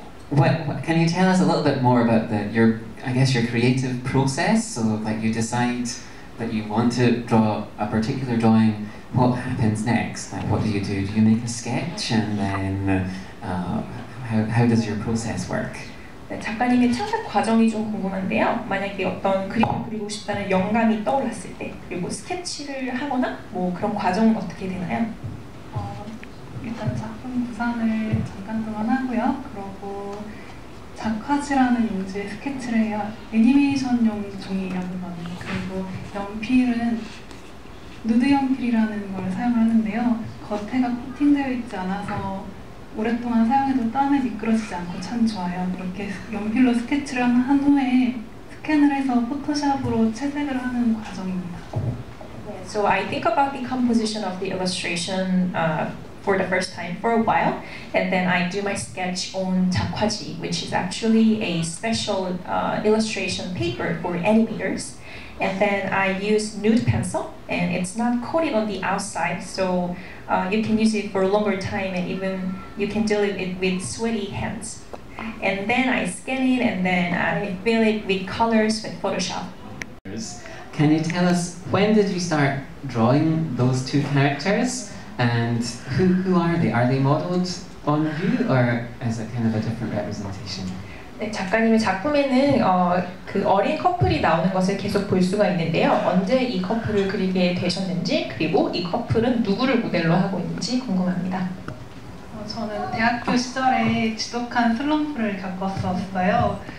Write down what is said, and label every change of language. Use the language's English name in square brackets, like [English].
[English] What can you tell us a little bit more about your creative process? So like you decide that you want to draw a particular drawing, what happens next? Like what do? You make a sketch and then how does your process work? [Korean] 네, 작가님의 창작 과정이 좀 궁금한데요. 만약에 어떤 그림을 그리고 싶다는 영감이 떠올랐을 때, 그리고 스케치를 하거나 뭐 그런 과정은 어떻게 되나요? 일단 작품 구상을 잠깐 동안 하고요. 그리고 작화지라는 용지에 스케치를 해요. 애니메이션용 종이라는 거는. 그리고 연필은 누드 연필이라는 걸 사용하는데요. 겉에가 코팅되어 있지 않아서 오랫동안 사용해도 땀에 미끄러지지 않고 참 좋아요. 이렇게 연필로 스케치를 한 후에 스캔을 해서 포토샵으로 채색을 하는 과정입니다. [English] So I think about the composition of the illustration for the first time for a while, and then I do my sketch on 작화지, which is actually a special illustration paper for animators. And then I use nude pencil, and it's not coated on the outside, so you can use it for a longer time, and even you can deal with it with sweaty hands. And then I scan it, and then I fill it with colors with Photoshop. Can you tell us, when did you start drawing those two characters? And who are they? Are they modeled on you or as a kind of a different representation? [Korean] 네, 작가님의 작품에는 그 어린 커플이 나오는 것을 계속 볼 수가 있는데요. 언제 이 커플을 그리게 되셨는지, 그리고 이 커플은 누구를 모델로 하고 있는지 궁금합니다. 저는 대학교 시절에 지독한 슬럼프를 겪었었어요.